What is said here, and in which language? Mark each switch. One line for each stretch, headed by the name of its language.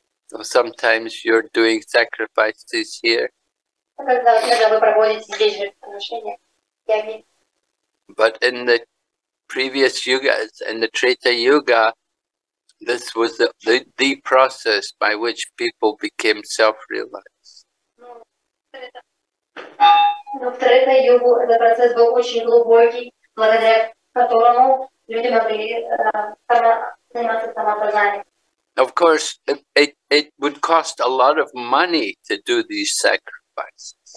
English: So sometimes you're doing sacrifices here. But in the previous yugas, in the Treta Yuga, this was the process by which people became self-realized.
Russian: В третьей йогу этот процесс был очень глубокий, благодаря которому люди могли заниматься самопознанием.
English: Of course, it would cost a lot of money to do these sacrifices.